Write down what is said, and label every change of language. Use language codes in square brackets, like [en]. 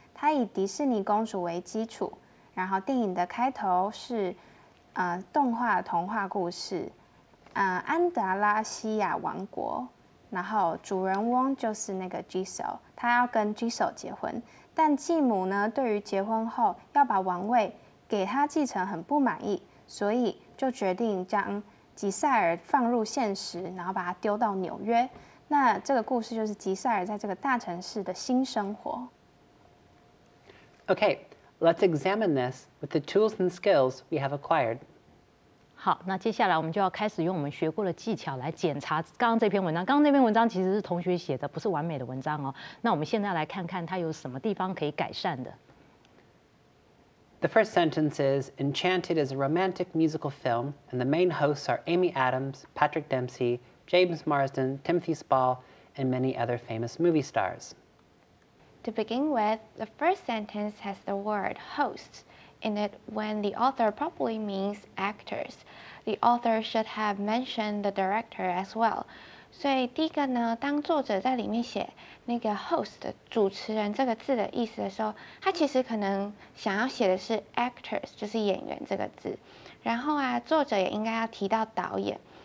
[zh] 它以迪士尼公主为基础，然后电影的开头是，动画童话故事，安达拉西亚王国，然后主人翁就是那个 Giselle， 他要跟 Giselle 结婚，但继母呢对于结婚后要把王位给他继承很不满意，所以就决定将吉塞尔放入现实，然后把他丢到纽约。那这个故事就是吉塞尔在这个大城市的新生活。 [en] Okay, let's examine this with the tools and skills we have acquired. [zh] 好，那接下来我们就要开始用我们学过的技巧来检查刚刚这篇文章。刚刚那篇文章其实是同学写的，不是完美的文章哦。那我们现在来看看它有什么地方可以改善的。 [en] The first sentence is, Enchanted is a romantic musical film, and the main hosts are Amy Adams, Patrick Dempsey, James Marsden, Timothy Spall, and many other famous movie stars. To begin with, the first sentence has the word hosts in it when the author probably means actors. The author should have mentioned the director as well. [zh] 所以第一个呢，当作者在里面写那个 host 主持人这个字的意思的时候，他其实可能想要写的是 actors， 就是演员这个字。然后啊，作者也应该要提到导演。